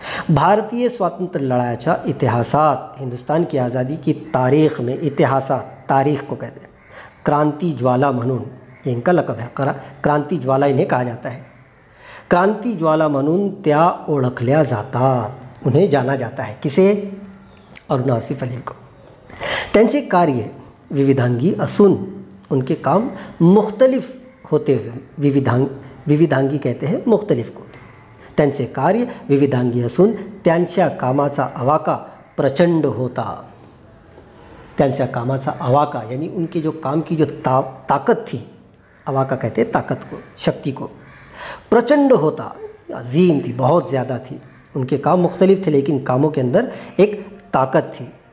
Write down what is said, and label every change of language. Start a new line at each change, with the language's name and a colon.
Marathi: भारतीय स्वातंत्र लड़ाईचा इतिहासात,
Hindi: हिंदुस्तान की आज़ादी की तारीख में, इतिहासात तारीख को कहते हैं, क्रांति ज्वाला म्हणून इनका लकब है, क्रांति ज्वाला इन्हें कहा जाता है,
Marathi: क्रांति ज्वाला म्हणून त्या ओळखल्या जाता,
Hindi: उन्हें जाना जाता है, किसे, अरुणा आसफ अली को।
Marathi: त्यांचे कार्य विविधांगी असून, उनके काम मुख्तलिफ होते हुए, विविधांगी कहते हैं मुख्तलिफ को, त्यांचे कार्य विविधांगी असून त्यांच्या कामाचा आवाका प्रचंड होता,
Hindi: त्यांच्या कामाचा आवाका यानी उनके जो काम की जो ताकत थी, आवाका कहते हैं ताकत को, शक्ति को, प्रचंड होता, अजीम थी, बहुत ज़्यादा थी। उनके काम मुख्तलिफ थे लेकिन कामों के अंदर एक ताकत थी।